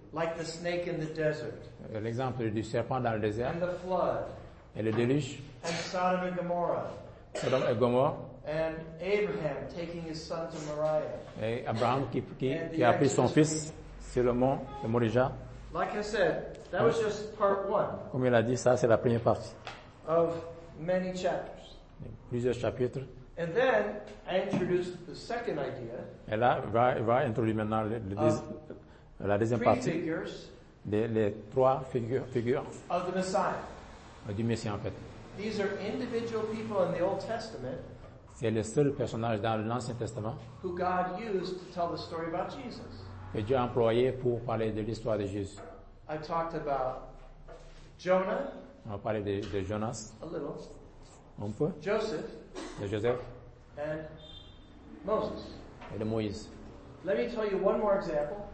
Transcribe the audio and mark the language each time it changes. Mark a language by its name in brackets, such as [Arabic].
[English] Like the snake in the desert. [French] L'exemple du serpent dans le désert. [English] And the flood. [French] Et le déluge. [English] And Sodom and Gomorrah. [French] Sodom et Gomorrah. [English] And Abraham taking his son to Moriah. [French] Et Abraham qui a pris son fils sur le mont de Morija. [English] Like I said, that was just part one. [French] Comme il a dit, ça c'est la première partie. [English] Of many chapters. [French] Plusieurs chapitres. [English] And then I introduced the second idea. [French] Et là, va introduire maintenant la deuxième partie. [English] Figures. [French] Les trois figures. [English] Of the Messiah. [French] Du Messie en fait. [English] These are individual people in the Old Testament. [French] C'est le seul personnage dans l'Ancien Testament [English] who God used to tell the story about Jesus. [French] Que Dieu a employé pour parler de l'histoire de Jésus. [English] I talked about Jonah. [French] On a parlé de Jonas. [English] A little. [French] Un peu. [English] Joseph. [French] De Joseph. [English] And Moses. [French] Et de Moïse. [English] Let me tell you one more example.